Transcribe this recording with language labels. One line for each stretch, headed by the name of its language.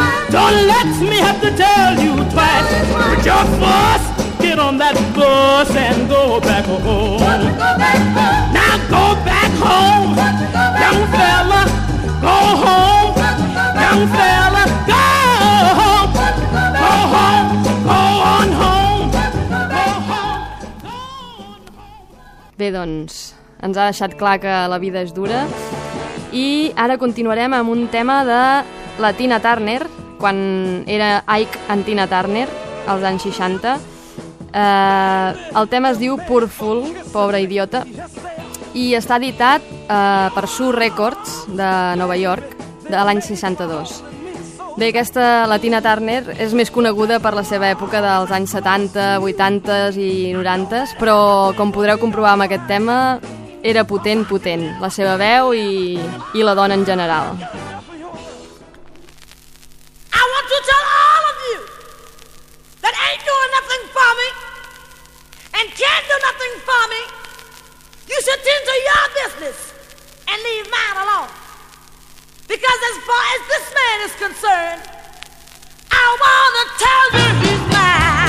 English: Don't let me have to tell you twice. Put your bus, get on that bus and go back home. Now go back home, young fella. Go home, young fella. Go home, go home, go on home. Go home, go on home.
Catalan: Bé, doncs, ens ha deixat clar que la vida és dura. I ara continuarem amb un tema de la Tina Turner, quan era Ike en Tina Turner, als anys 60. El tema es diu Poor Fool, pobre idiota, i està editat per Sue Records, de Nova York, de l'any 62. Bé, aquesta, la Tina Turner, és més coneguda per la seva època dels anys 70, 80 i 90, però, com podreu comprovar amb aquest tema, era potent, potent, la seva veu i la dona en general.
English: I want to tell all of you that ain't doing nothing for me and can't do nothing for me, you should tend to your business and leave mine alone. Because as far as this man is concerned, I want to tell you he's mine.